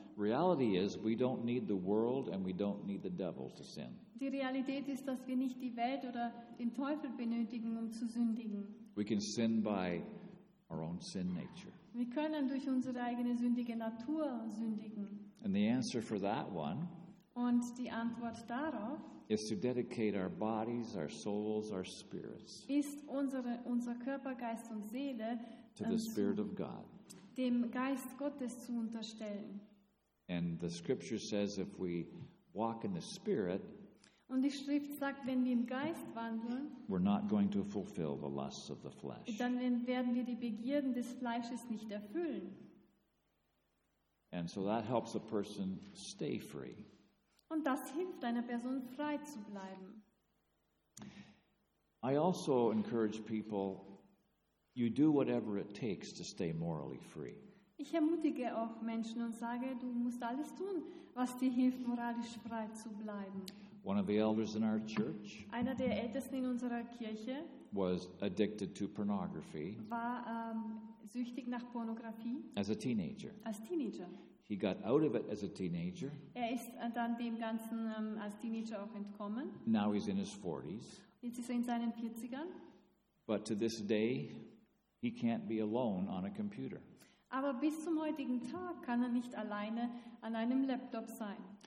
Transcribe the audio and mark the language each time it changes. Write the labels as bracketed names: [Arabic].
[English] Reality is we don't need the world and we don't need the devil to sin. [German] Die Realität ist, dass wir nicht die Welt oder den Teufel benötigen, um zu sündigen. [English] We can sin by our own sin nature. [German] Wir können durch unsere eigene sündige Natur sündigen. [English] And the answer for that one, [German] und die Antwort darauf, [English] is to dedicate our bodies, our souls, our spirits, [German] ist unser Körper, Geist und Seele [English] to the Spirit of God, [German] dem Geist Gottes zu unterstellen. [English] And the scripture says if we walk in the Spirit, [German] und die Schrift sagt, wenn wir im Geist wandeln, [English] we're not going to fulfill the lusts of the flesh. [German] Dann werden wir die Begierden des Fleisches nicht erfüllen. [English] And so that helps a person stay free. [German] Und das hilft einer Person, frei zu bleiben. [English] I also encourage people, you do whatever it takes to stay morally free. [German] Ich ermutige auch Menschen und sage, du musst alles tun, was dir hilft, moralisch frei zu bleiben. [English] One of the elders in our church, [German] einer der Ältesten in unserer Kirche, [English] was addicted to pornography. [German] War süchtig nach Pornografie. [English] As a teenager. [German] Als Teenager. [English] He got out of it as a teenager. [German] Er ist dann dem Ganzen als Teenager auch entkommen. [English] Now he's in his 40s. [German] Jetzt ist er in seinen 40ern. [English] But to this day, he can't be alone on a computer. [German] Aber bis zum heutigen Tag kann er nicht alleine an einem Laptop sein.